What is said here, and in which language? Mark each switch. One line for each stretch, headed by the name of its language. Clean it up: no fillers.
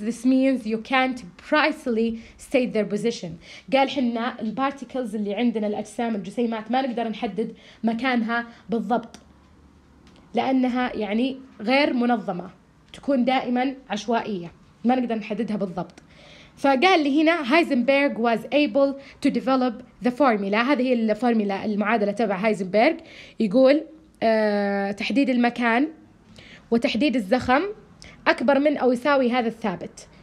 English: This means you can't precisely state their position.
Arabic: قال حنا البارتيكلز اللي عندنا الأجسام الجسيمات ما نقدر نحدد مكانها بالضبط، لأنها يعني غير منظمة، تكون دائما عشوائية، ما نقدر نحددها بالضبط. فقال لي هنا
English: Heisenberg was able to develop the formula.
Arabic: هذه هي الفورميلا، المعادلة تبع هايزنبرغ، يقول تحديد المكان وتحديد الزخم أكبر من أو يساوي هذا الثابت.